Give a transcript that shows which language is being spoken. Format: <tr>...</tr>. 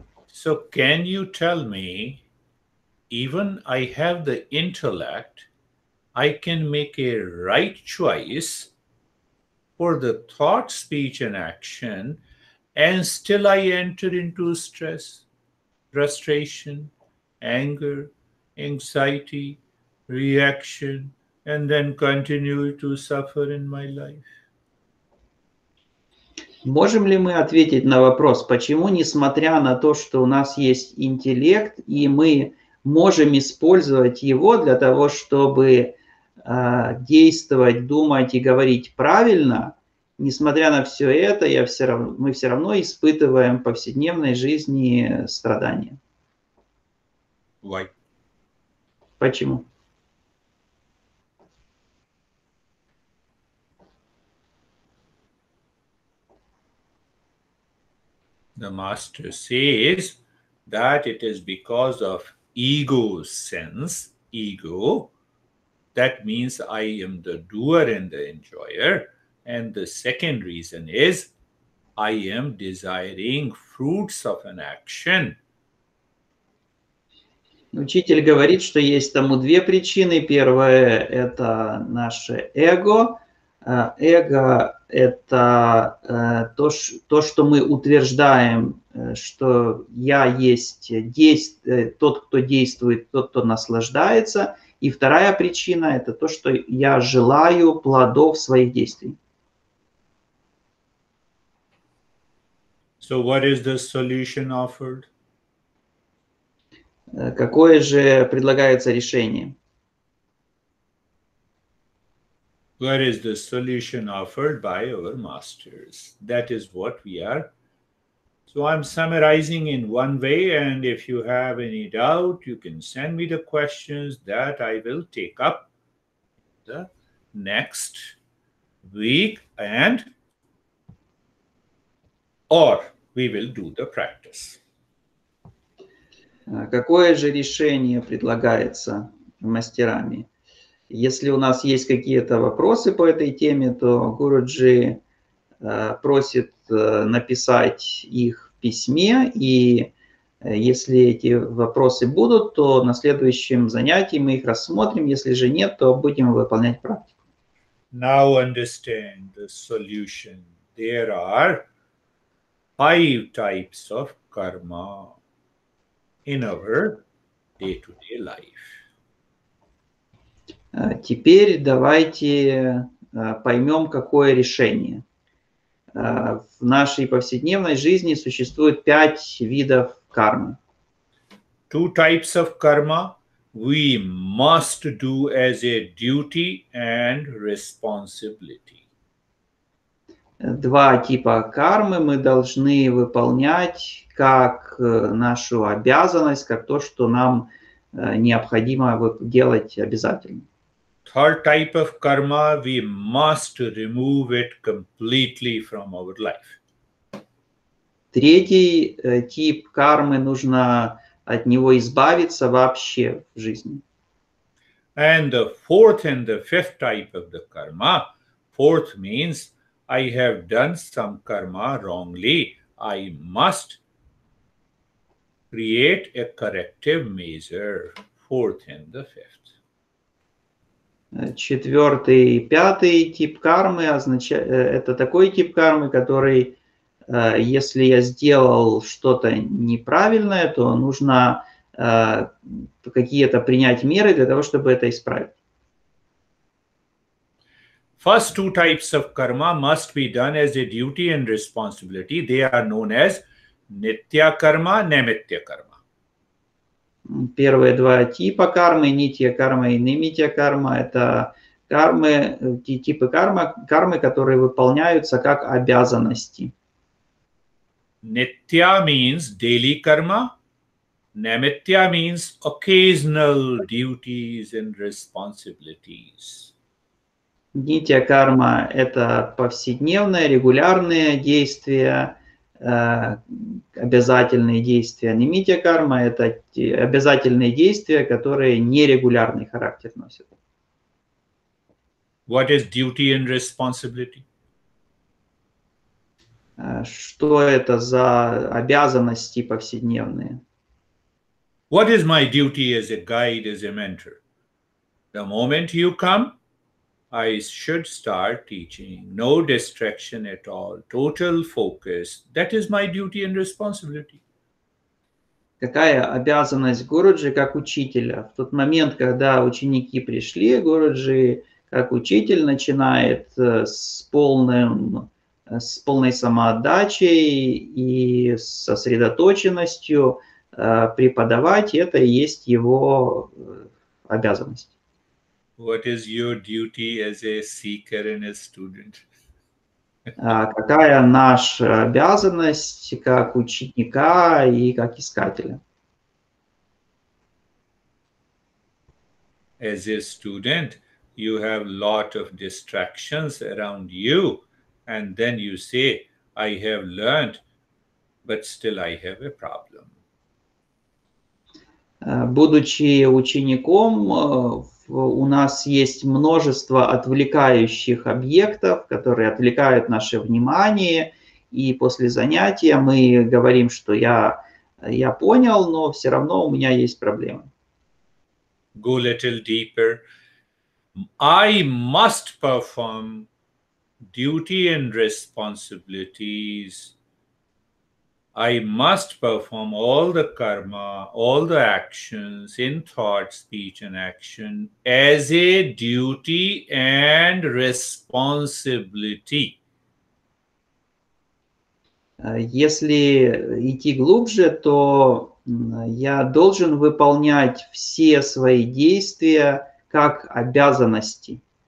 <en>So can you tell me, even I have the intellect, I can make a right choice for the thought, speech and action, and still I enter into stress, frustration, anger, anxiety, reaction, and then continue to suffer in my life.</en> <ru>Можем ли мы ответить на вопрос, почему, несмотря на то, что у нас есть интеллект, и мы можем использовать его для того, чтобы действовать, думать и говорить правильно, несмотря на все это, я все равно, мы все равно испытываем в повседневной жизни страдания.</ru> <en>Why?</en> <ru>Почему?</ru> <en>The master says that it is because of ego sense, ego, that means I am the doer and the enjoyer. And the second reason is I am desiring fruits of an action.</en> <ru>Учитель говорит, что есть тому две причины. Первое – это наше эго. Эго – это то, что мы утверждаем, что я есть тот, кто действует, тот, кто наслаждается. И вторая причина – это то, что я желаю плодов своих действий.</ru> <en>So what is the solution offered?</en> <ru>Какое же предлагается решение?</ru> <en>What is the solution offered by our masters? That is what we are. So I'm summarizing in one way, and if you have any doubt, you can send me the questions that I will take up the next week, and or we will do the practice.</en> <ru>Какое же решение предлагается мастерами? Если у нас есть какие-то вопросы по этой теме, то Гуруджи просит написать их в письме. И если эти вопросы будут, то на следующем занятии мы их рассмотрим. Если же нет, то будем выполнять практику.</ru> <en>Now understand the solution. There are five types of karma in our day-to-day life.</en> <ru>Теперь давайте поймем, какое решение. В нашей повседневной жизни существует пять видов кармы.</ru> <en>Two types of karma we must do as a duty and responsibility.</en> <ru>Два типа кармы мы должны выполнять как нашу обязанность, как то, что нам необходимо делать обязательно.</ru> <en>Third type of karma, we must remove it completely from our life.</en> <ru>Третий тип кармы, нужно от него избавиться вообще в жизни.</ru> <en>And the fourth and the fifth type of the karma, fourth means I have done some karma wrongly. I must create a corrective measure. Fourth and the fifth.</en> <ru>Четвертый и пятый тип кармы означает, это такой тип кармы, который, если я сделал что-то неправильное, то нужно какие-то принять меры для того, чтобы это исправить.</ru> <en>First two types of karma must be done as a duty and responsibility. They are known as nitya karma, nimitya karma.</en> <ru>Первые два типа кармы, нитья карма и нимитья карма, это кармы, типы карма, кармы, которые выполняются как обязанности.</ru> <en>Nitya means daily karma, nimitya means occasional duties and responsibilities.</en> <ru>Нитья карма – это повседневные, регулярные действия, обязательные действия. Нимитья карма – это обязательные действия, которые нерегулярный характер носят.</ru> <en>What is duty and responsibility?</en> <ru>Что это за обязанности повседневные?</ru> <en>What is my duty as a guide, as a mentor? The moment you come, I should start teaching. No distraction at all. Total focus. That is my duty and responsibility.</en> <ru>Какая обязанность Гуруджи как учителя? В тот момент, когда ученики пришли, Гуруджи как учитель начинает с полной самоотдачей и сосредоточенностью преподавать. Это и есть его обязанность.</ru> <en>What is your duty as a seeker and a student?</en> <ru>какая наша обязанность как ученика и как искателя?</ru> <en>As a student, you have lot of distractions around you, and then you say, "I have learned, but still I have a problem."</en> <ru>Будучи учеником, у нас есть множество отвлекающих объектов, которые отвлекают наше внимание, и после занятия мы говорим, что я понял, но все равно у меня есть проблемы.</ru> <en>Go a little deeper. I must perform duty and responsibilities. I must perform all the karma, all the actions in thought, speech, and action as a duty and responsibility.</en> <ru>Если идти глубже, то я должен выполнять все свои действия как обязанности.</ru>